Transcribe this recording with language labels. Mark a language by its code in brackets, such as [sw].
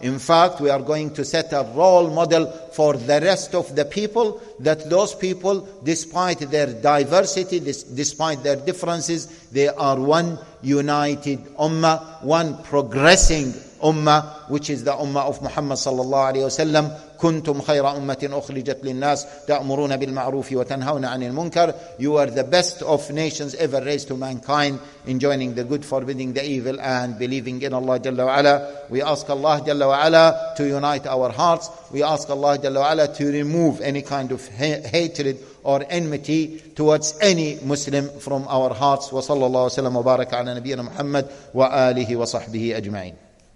[en] In fact, we are going to set a role model for the rest of the people, that those people, despite their diversity, despite their differences, they are one united ummah, one progressing ummah, which is the ummah of Muhammad sallallahu alayhi wa sallam. [ar] كنتم خير أمة أخرجت للناس تأمرون بالمعروف وتنهون عن المنكر. [en] You are the best of nations ever raised to mankind, enjoining the good, forbidding the evil, and believing in Allah جل وعلا. We ask Allah جل وعلا to unite our hearts. We ask Allah جل وعلا to remove any kind of hatred or enmity towards any Muslim from our hearts. [ar] وصلى الله وسلم وبارك على نبينا محمد وآله وصحبه أجمعين.